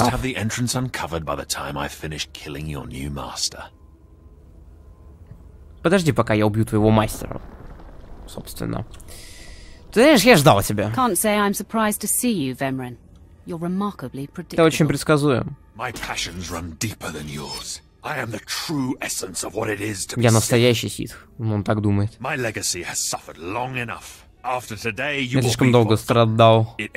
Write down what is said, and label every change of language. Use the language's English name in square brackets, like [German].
[English] Just have the entrance uncovered by the time I finish killing your new master. [Russian] Подожди, пока я убью твоего мастера. Собственно. Ты знаешь, я ждал тебя. [English] Can't say I'm surprised to see you, Vemrin. You're remarkably predictable. [Russian] Ты очень предсказуем. [English] My passions run deeper than yours. I am the true essence of what it is to be. [Russian] Я настоящий ситх. Он так думает. [English] My legacy has suffered long enough. [Russian] Я слишком долго страдал.